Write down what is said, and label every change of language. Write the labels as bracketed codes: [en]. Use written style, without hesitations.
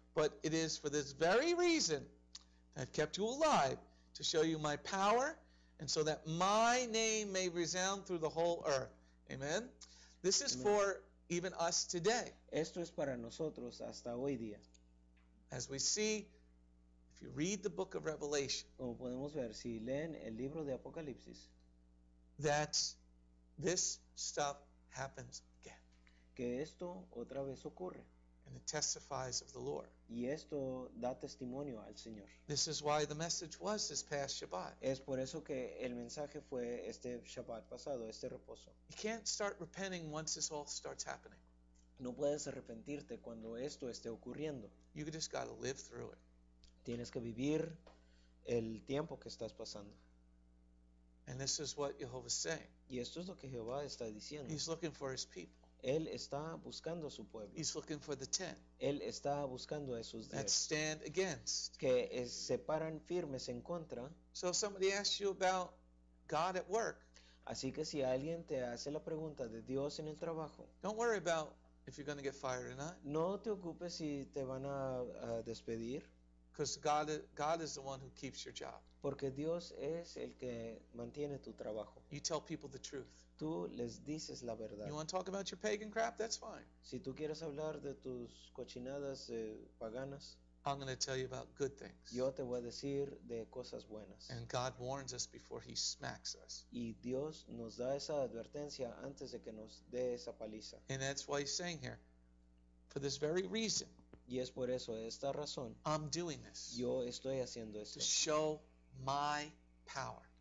[en] But it is for this very reason that I've kept you alive, to show you my power, and so that my name may resound through the whole earth. Amen. This is for even us today. [es] Esto es para nosotros hasta hoy día. [en] As we see, if you read the book of Revelation, [es] como podemos ver, si leen el libro de Apocalipsis, [en] that this stuff happens again. [es] Que esto otra vez ocurre. [en] And it testifies of the Lord. [es] Y esto da testimonio al Señor. [en] This is why the message was this past Shabbat. [es] Es por eso que el mensaje fue este Shabbat pasado, este reposo. [en] You can't start repenting once this all starts happening. [es] No puedes arrepentirte cuando esto esté ocurriendo. [en] You just got to live through it. [es] Tienes que vivir el tiempo que estás pasando. [en] And this is what Jehovah is saying. [es] Y esto es lo que Jehová está diciendo. [en] He's looking for his people. [es] Él está buscando a su pueblo. [en] He's looking for the ten. [es] Él está buscando a esos diez. [en] That stand against. [es] Que se paran firmes en contra. [en] So if somebody asks you about God at work. [es] Así que si alguien te hace la pregunta de Dios en el trabajo. [en] Don't worry about if you're going to get fired or not. [es] No te ocupes si te van a despedir. [en] Because God is the one who keeps your job. [es] Porque Dios es el que mantiene tu trabajo. [en] You tell people the truth. [es] Tú les dices la verdad. [en] You want to talk about your pagan crap? That's fine. [es] Si tú quieres hablar de tus cochinadas paganas, [en] I'm going to tell you about good things. [es] Yo te voy a decir de cosas buenas. [en] And God warns us before He smacks us. [es] Y Dios nos da esa advertencia antes de que nos dé esa paliza. [en] And that's why He's saying here, for this very reason. [es] Y es por eso, esta razón. [en] I'm doing this. [es] Yo estoy haciendo esto. [en] To show my power.